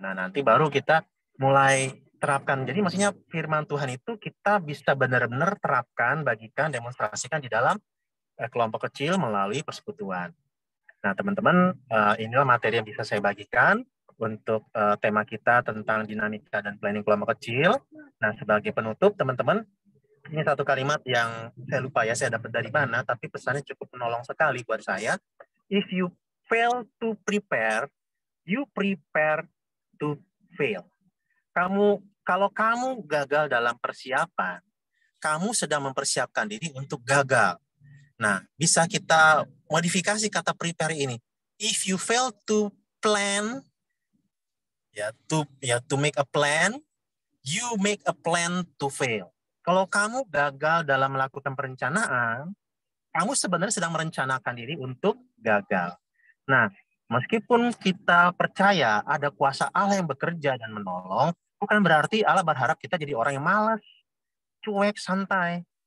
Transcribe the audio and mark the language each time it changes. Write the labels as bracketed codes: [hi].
[id] Nah, nanti baru kita mulai terapkan. Jadi maksudnya firman Tuhan itu kita bisa benar-benar terapkan, bagikan, demonstrasikan di dalam kelompok kecil melalui persekutuan. Nah, teman-teman, inilah materi yang bisa saya bagikan untuk tema kita tentang dinamika dan planning kelompok kecil. Nah, sebagai penutup, teman-teman, ini satu kalimat yang saya lupa ya, saya dapat dari mana, tapi pesannya cukup menolong sekali buat saya. [en] If you fail to prepare, you prepare to fail. [id] Kalau kamu gagal dalam persiapan, kamu sedang mempersiapkan diri untuk gagal. Nah, bisa kita modifikasi kata prepare ini. [en] If you fail to plan, to make a plan, you make a plan to fail. [id] Kalau kamu gagal dalam melakukan perencanaan, kamu sebenarnya sedang merencanakan diri untuk gagal. Nah, meskipun kita percaya ada kuasa Allah yang bekerja dan menolong, bukan berarti Allah berharap kita jadi orang yang malas, cuek, santai.